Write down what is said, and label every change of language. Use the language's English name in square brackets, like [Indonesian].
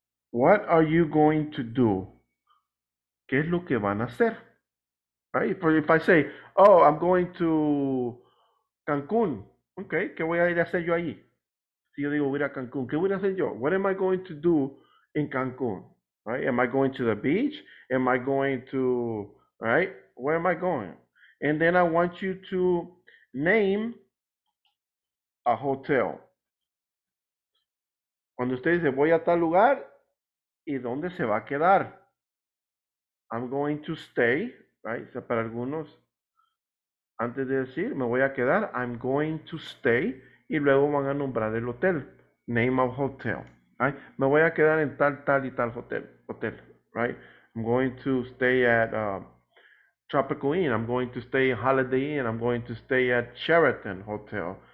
[English] What are you going to do? [Spanish] ¿Qué es lo que van a hacer? [English] Right? If I say, oh, I'm going to Cancun. [Spanish] Okay, ¿qué voy a ir a hacer yo allí? Si yo digo, voy a Cancun, ¿qué voy a hacer yo? [English] What am I going to do in Cancun? Right? Am I going to the beach? Am I going to, right? Where am I going? And then I want you to name a hotel. [Spanish] Cuando usted dice, voy a tal lugar, ¿y dónde se va a quedar? [English] I'm going to stay, right? [Spanish] O sea, para algunos, antes de decir, me voy a quedar, I'm going to stay, y luego van a nombrar el hotel, name of hotel, right? Me voy a quedar en tal, tal y tal hotel, right? [English] I'm going to stay at Tropical Inn, I'm going to stay at Holiday Inn, I'm going to stay at Sheraton Hotel.